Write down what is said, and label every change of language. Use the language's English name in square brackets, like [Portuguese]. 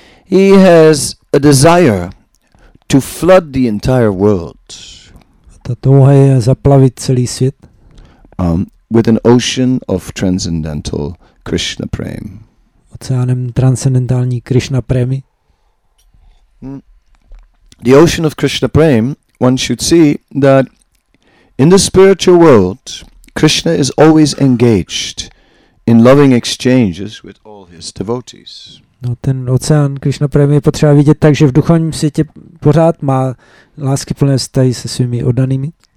[English] He has a desire to flood the entire world. [Czech] Ta touha je zaplavit celý svět. [English] With an ocean of transcendental Krishna prem. [Czech] Oceánem transcendentální Krishna prémy. [English] The ocean of Krishna prem, one should see that in the spiritual world, Krishna is always engaged in loving exchanges with all his devotees. [Czech] No ten oceán Krishna Prem je potřeba vidět tak, že v duchovním světě pořád má lásky plné vztahy se svými oddanými.